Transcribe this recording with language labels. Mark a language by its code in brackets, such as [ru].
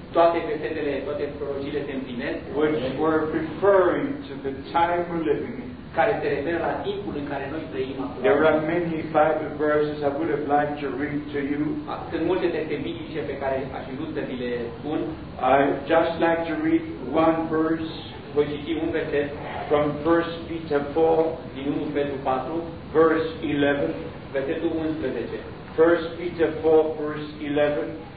[ro] Toate versetele, toate prorociile se împlinesc. [en] Which were referring to the time we're living in. [ro] Care se referă la timpul în care noi trăim acum. [en] There are many Bible verses I would have liked to read to you. [ro] Sunt multe texte biblice pe care aș vrea să vi le spun. [en] I just like to read one verse. [ro] Voi citi un verset. [en] From 1 Peter 4, [ro] din 1 Petru 4, [en] verse 11, [ro] versetul 11. [en] 1 Peter 4, verse 11.